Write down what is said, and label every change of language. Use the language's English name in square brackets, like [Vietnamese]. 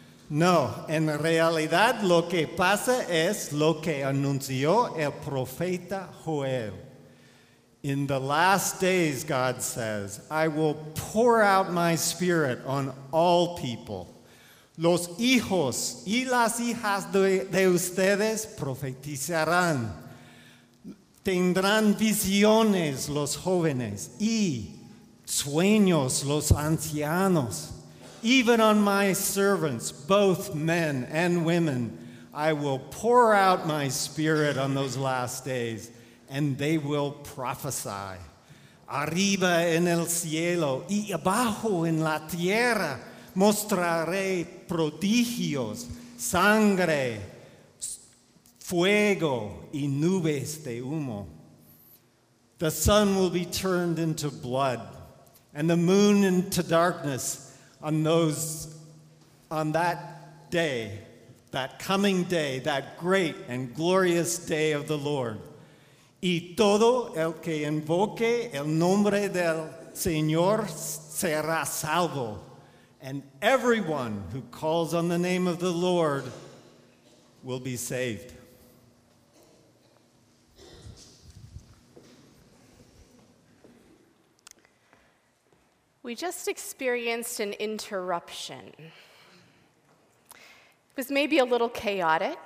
[Spanish] No, en realidad lo que pasa es lo que anunció el profeta Joel. [English] In the last days, God says, I will pour out my spirit on all people. [Spanish] Los hijos y las hijas de ustedes profetizarán. Tendrán visiones los jóvenes y sueños los ancianos. [English] Even on my servants, both men and women, I will pour out my spirit on those last days, and they will prophesy. [Spanish] Arriba en el cielo y abajo en la tierra mostraré prodigios, sangre, fuego y nubes de humo. [English] The sun will be turned into blood and the moon into darkness on that day, that coming day, that great and glorious day of the Lord. [Spanish] Y todo el que invoque el nombre del Señor será salvo. [English] And everyone who calls on the name of the Lord will be saved." We just experienced an interruption. It was maybe a little chaotic.